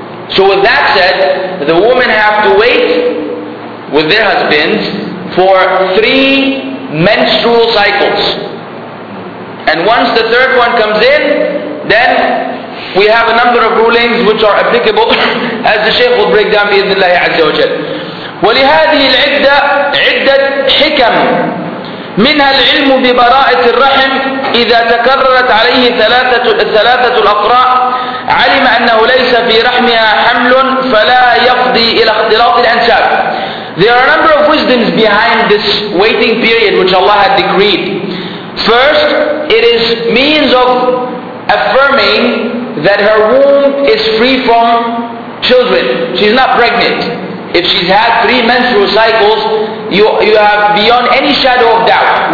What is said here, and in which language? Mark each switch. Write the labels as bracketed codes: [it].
[en] So with that said, the women have to wait with their husbands for 3 menstrual cycles. And once the 3rd one comes in, then we have a number of rulings which are applicable, as the Shaykh will break down [ar] بإذن الله عز وجل. ولهذه العدة عدة حكم, منها العلم ببراءة الرحم إذا تكررت عليه ثلاثة الأقراء، علم أنه ليس في رحمها حمل فلا يفضي إلى اختلاط الأنساب. [en] There are a number of wisdoms behind this waiting period which Allah had decreed. First, it is means of affirming that her womb is free from children. She's not pregnant. If she's had three menstrual cycles, you have beyond any shadow of doubt.